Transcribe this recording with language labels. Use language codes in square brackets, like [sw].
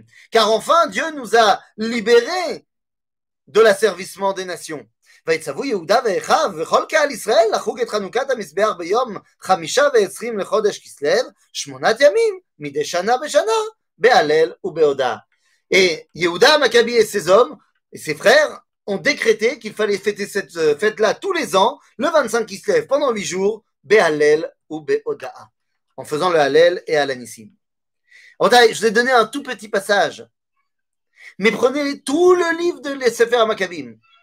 [fr] Car enfin, Dieu nous a libérés de l'asservissement des nations. [he] ויצבו יהודה ואחיו וכל קהל ישראל לחוג את חנוכת המזבח ביום 25 לחודש כסלו, 8 ימים, מדי שנה בשנה. Be'alel ou Be'oda. [fr] Et Yehuda, Maccabi et ses hommes et ses frères ont décrété qu'il fallait fêter cette fête-là tous les ans, le 25 qui se lève pendant 8 jours, [he] Be'alel ou Be'oda, [fr] en faisant le Hallel et Alanissim. Je vous ai donné un tout petit passage, mais prenez tout le livre de les Sefer HaMakabim.